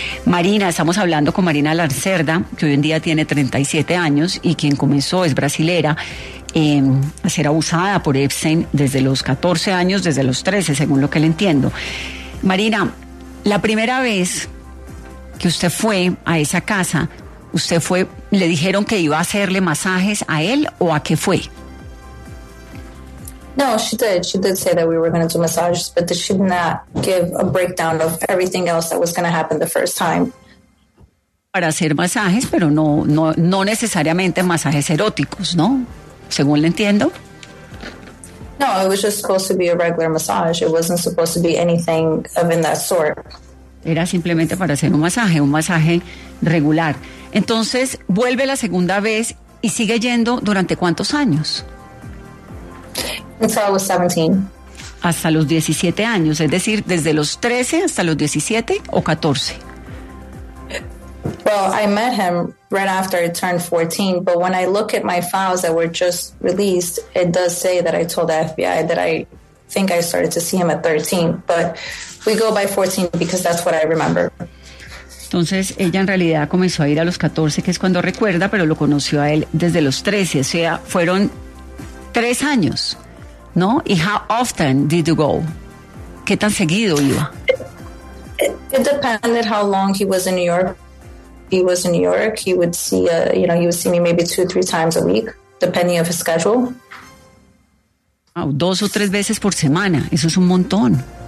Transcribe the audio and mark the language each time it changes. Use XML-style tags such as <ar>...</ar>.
<es>Marina, estamos hablando con Marina Lacerda, que hoy en día tiene 37 años y quien comenzó, es brasilera, a ser abusada por Epstein desde los 14 años, desde los 13, según lo que le entiendo. Marina, la primera vez que usted fue a esa casa, ¿usted fue, le dijeron que iba a hacerle masajes a él o a qué fue?</es> <en>No, she did. She did say that we were going to do massages, but she did not give a breakdown of everything else that was going to happen the first time.</en> <es>Para hacer masajes, pero no necesariamente masajes eróticos, ¿no? Según le entiendo.</es> <en>No, it was just supposed to be a regular massage. It wasn't supposed to be anything of in that sort.</en> <es>Era simplemente para hacer un masaje regular. Entonces, vuelve la segunda vez y sigue yendo, ¿durante cuántos años?</es> <en>Until I was 17.</en> <es>Hasta los 17 años, es decir, desde los 13 hasta los 17 o 14.</es> <en>Well, I met him right after I turned 14, but when I look at my files that were just released, it does say that I told the FBI that I think I started to see him at 13, but we go by 14 because that's what I remember.</en> <es>Entonces, ella en realidad comenzó a ir a los 14, que es cuando recuerda, pero lo conoció a él desde los 13, o sea, fueron 3 años, ¿no? ¿Y</es> <en>how often did you go?</en> <es>¿Qué tan seguido iba?</es> <en>It depended how long he was in New York. He was in New York, he would see, he would see me maybe 2-3 times a week, depending on his schedule.</en> <es>Oh, 2 o 3 veces por semana, eso es un montón.</es>